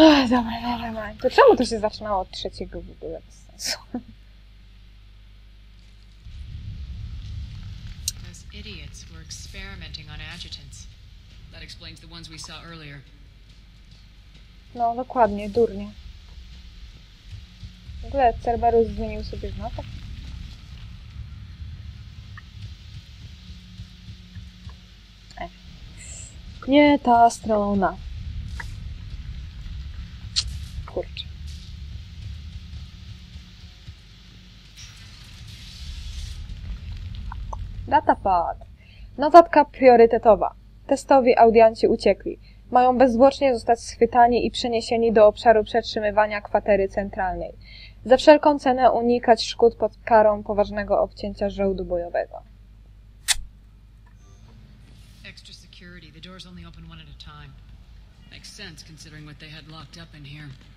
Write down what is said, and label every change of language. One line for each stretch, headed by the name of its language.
Polish: Dobra. To czemu to się zaczynało od trzeciego w ogóle? Bez sensu.
English: Those idiots were experimenting on adjutants. That explains the ones we saw earlier.
Polish: No, dokładnie, durnie. W ogóle Cerberus zmienił sobie znaki. Nie ta strona. Kurczę. Datapad. Notatka priorytetowa. Testowi audianci uciekli. Mają bezzwłocznie zostać schwytani i przeniesieni do obszaru przetrzymywania kwatery centralnej. Za wszelką cenę unikać szkód pod karą poważnego obcięcia żołdu bojowego.
English: The doors only open one at a time. Makes sense considering what they had locked up in here.